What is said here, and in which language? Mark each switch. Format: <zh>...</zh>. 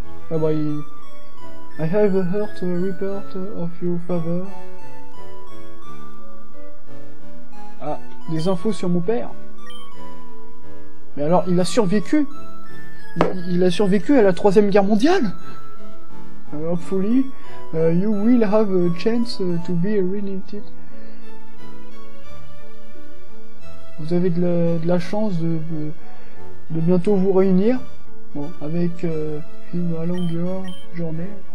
<en>Ah bah, I have heard a report of your father.</en> <fr>Ah, des infos sur mon père. Mais alors, il a survécu. Il a survécu à la Troisième Guerre mondiale.</fr> <en>Hopefully, you will have a chance to be reunited.</en> <fr>Vous avez de la chance de bientôt vous réunir. Bon, avec une longueur journée.</fr>